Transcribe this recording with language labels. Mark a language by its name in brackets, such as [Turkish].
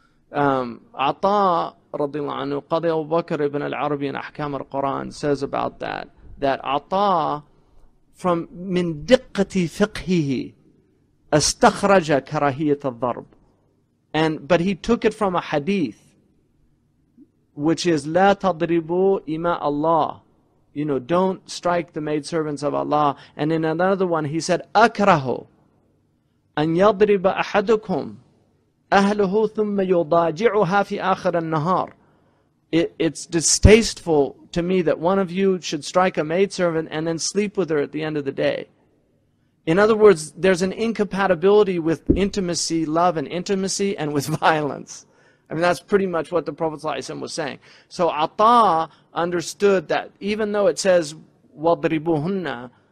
[English] Ata, radiallahu anhu, Qadi Abu Bakr ibn al-Arabi in Ahkam al-Quran says about that Ata, from [Arabic] min diqqati fiqhihi, astakhraja karahiyat al-dharb. [English] But he took it from a hadith, which is [Arabic] لا تضربوا إماء الله, [English] you know, don't strike the maidservants of Allah. And in another one, he said [Arabic] أكره أن يضرب أحدكم أهله ثم يضاجعها في آخر النهار. [English] It's distasteful to me that one of you should strike a maidservant and then sleep with her at the end of the day. In other words, there's an incompatibility with intimacy, love and intimacy, and with violence. I mean, that's pretty much what the Prophet ﷺ was saying. So Atta understood that even though it says, [Arabic] وَضْرِبُهُنَّ,